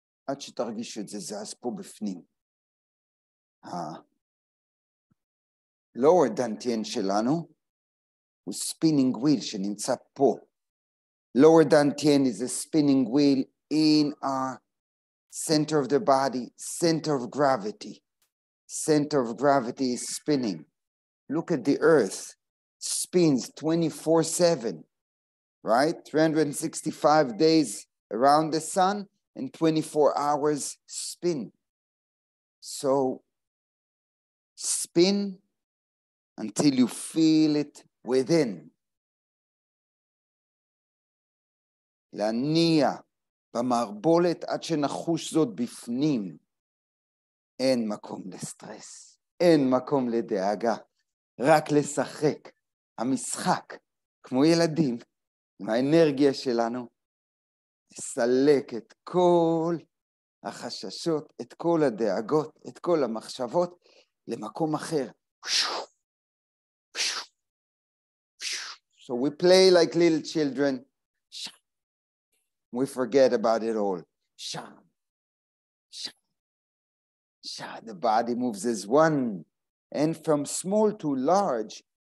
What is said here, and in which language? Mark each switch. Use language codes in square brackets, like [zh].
[he] עד שתרגיש את זה, זה אז פה בפנים. Lower dantian שלנו, הוא [en] spinning wheel [he] שנמצא פה. [en] Lower dantian is a spinning wheel in our center of the body, center of gravity. Center of gravity is spinning. Look at the earth, spins 24/7, right? 365 days around the sun, and 24 hours spin. So spin until you feel it within. [he] להניע במערבולת עד שנחוש זאת בפנים. אין מקום לסטרס, אין מקום לדאגה, רק לשחק. המשחק, כמו ילדים, מהאנרגיה שלנו, לסלק את כל החששות, את כל הדאגות, את כל המחשבות למקום אחר. [en] So we play like little children. We forget about it all. Sham. Sham. The body moves as one. And from small to large.